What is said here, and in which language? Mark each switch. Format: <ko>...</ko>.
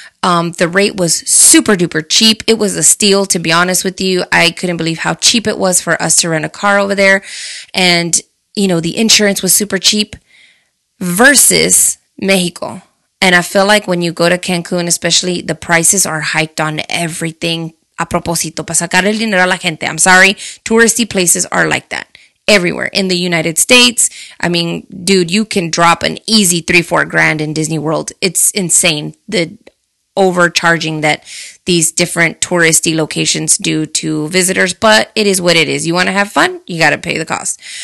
<en>The rate was super duper cheap. It was a steal, to be honest with you. I couldn't believe how cheap it was for us to rent a car over there. And, you know, the insurance was super cheap versus Mexico. And I feel like when you go to Cancun, especially, the prices are hiked on everything.</en> <es>A propósito, para sacar el dinero a la gente.</es> <en>I'm sorry. Touristy places are like that everywhere. In the United States, I mean, dude, you can drop an easy $3,000-$4,000 in Disney World. It's insane the overcharging that these different touristy locations do to visitors. But it is what it is. You want to have fun? You got to pay the cost.</en>